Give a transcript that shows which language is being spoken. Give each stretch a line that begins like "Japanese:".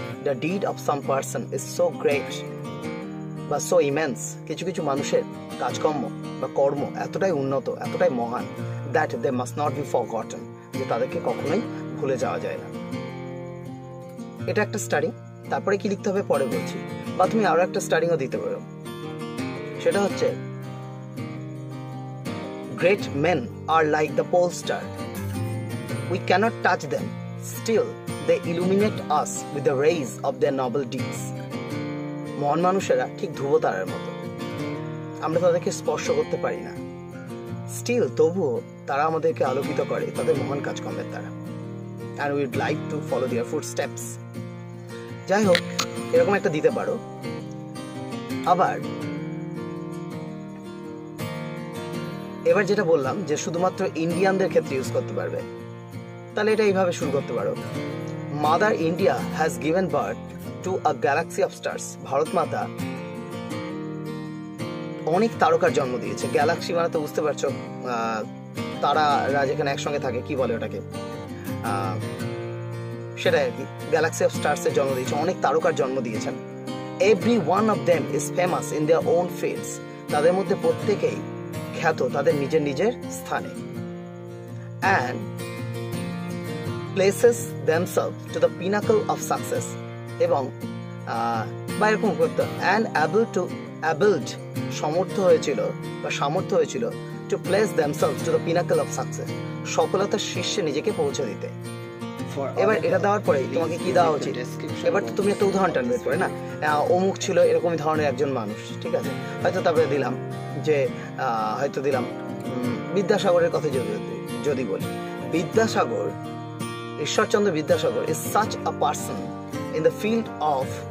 English: the deed of some person is so great
Bangla: বা
English: so immense,
Bangla: কিছু কিছু মানুষের কাজকর্ম বা কর্ম এতটাই উন্নত, এতটাই মহান,
English: that they must not be forgotten,
Bangla: যে তাদেরকে কখনোই ভুলে যাওয়া যায় না. এটা একটা স্টাডি. তারপরে কি লিখতে হবে পরে বলছি, বা তুমি আরো একটা স্টাডিও দিতে পারো, সেটা হচ্ছে
English: Great men are like the pole star. We cannot touch them. Still, they illuminate us with the rays of their noble deeds.
Bangla: মহান মানুষেরা ঠিক ধ্রুবতারার মতো, আমরা তাদেরকে স্পর্শ করতে পারি না, স্টিল তবুও তারা আমাদেরকে আলোকিত করে তাদের মহান কাজকর্মের দ্বারা.
English: And we'd like to follow their footsteps.
Bangla: যাই হোক, এরকম একটা দিতে পারো. আবার এবার যেটা বললাম যে শুধুমাত্র ইন্ডিয়ানদের ক্ষেত্রে ইউজ করতে পারবে, তাহলে এটা এইভাবে শুরু করতে পারো.
English: Mother India has given birth to a galaxy of stars.
Bangla: Bharat মাতা অনেক তারকার জন্ম দিয়েছে. গ্যালাক্সি মানে তো বুঝতে পারছো, তারারা যেখানে একসঙ্গে থাকে, কি বলে ওটাকে, সেটাই আর কি. গ্যালাক্সি অফ স্টার্সের জন্ম দিয়েছে, অনেক তারকার জন্ম দিয়েছেন.
English: Every one of them is famous in their own fields.
Bangla: তাদের মধ্যে প্রত্যেকেই খ্যাত তাদের নিজের নিজের স্থানে.
English: And places themselves to the pinnacle of success.
Bangla: এবং বা এরকম করত, and abled সমর্থ হয়েছিল বা সামর্থ্য হয়েছিল
English: to place themselves to the pinnacle of success,
Bangla: সফলতার শীর্ষে নিজেকে পৌঁছে দিতে. এবার এটা দেওয়ার পরে তোমাকে কি দেওয়া উচিত? এবার তুমি একটা উদাহরণটা নিতে পারো, না অমুক ছিল এরকম ধরনের একজন মানুষ, ঠিক আছে, হয়তো তারপরে দিলাম যে হয়তো দিলাম বিদ্যাসাগরের কথা যদি বলি, Vidyasagar, Ishwarchandra Vidyasagar
English: is such a person in the field of,